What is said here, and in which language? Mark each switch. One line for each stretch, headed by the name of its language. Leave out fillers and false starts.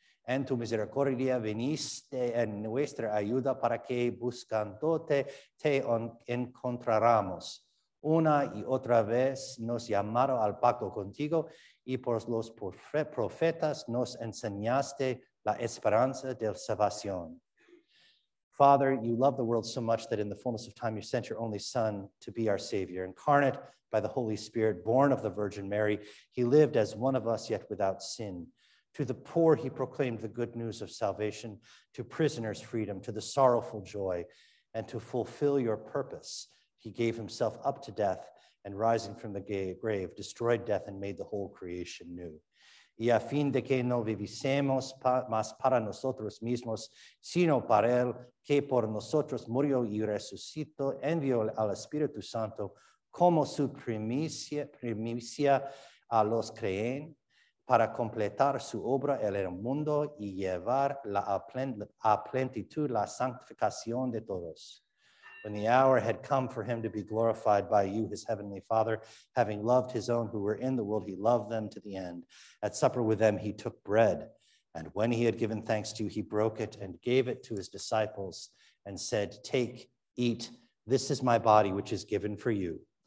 Spanish: En tu misericordia viniste en nuestra ayuda para que buscándote te encontráramos. Una y otra vez nos llamaron al pacto contigo y por los profetas nos enseñaste la esperanza de salvación.
English: Father, you love the world so much that in the fullness of time you sent your only Son to be our Savior. Incarnate by the Holy Spirit, born of the Virgin Mary, he lived as one of us yet without sin. To the poor he proclaimed the good news of salvation, to prisoners freedom, to the sorrowful joy, and to fulfill your purpose, he gave himself up to death and rising from the grave, destroyed death and made the whole creation new.
Spanish: Y a fin de que no vivisemos más para nosotros mismos, sino para él que por nosotros murió y resucitó, envió al Espíritu Santo como su primicia a los creen para completar su obra en el mundo y llevar a plenitud la santificación de todos.
English: When the hour had come for him to be glorified by you, his heavenly Father, having loved his own who were in the world, he loved them to the end. At supper with them, he took bread. And when he had given thanks to you, he broke it and gave it to his disciples and said, Take, eat, this is my body, which is given for you.